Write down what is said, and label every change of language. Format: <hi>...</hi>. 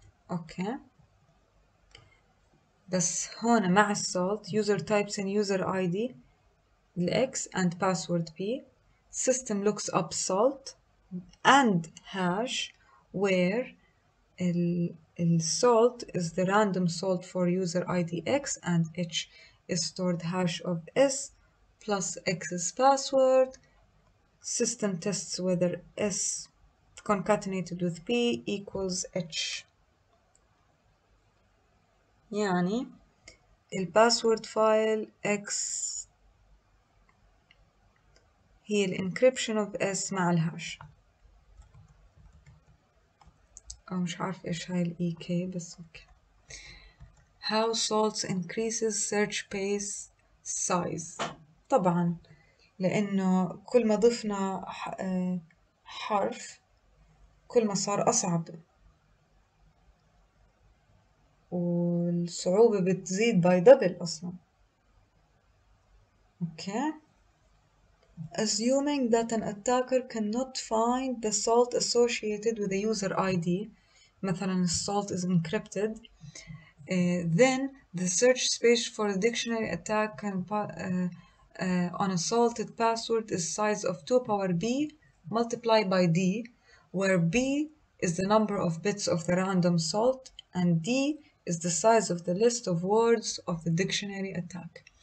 <ar>اوكي بس هون مع السولت</ar> <en>user types and user id x and password p system looks up salt and hash where ال salt is the random salt for user id x and h is stored hash of s plus x's password system tests whether s concatenated with p equals h.</en> <ar>يعني الباسورد فايل X هي الانكريبشن اوف S مع الهاش، او مش عارف ايش هاي الاي كي بس اوكي.</ar> <en>How salt increases search space size.</en> <ar>طبعا لانه كل ما ضفنا حرف كل ما صار اصعب والصعوبة بتزيد</ar> <en>by double</en> <ar>أصلاً.</ar> <en>Okay. Assuming that an attacker cannot find the salt associated with the user ID,</en> <ar>مثلاً</ar> <en>salt is encrypted, then the search space for a dictionary attack can, on a salted password is size of 2 power b multiplied by d, where b is the number of bits of the random salt and d is the size of the list of words of the dictionary attack.</en>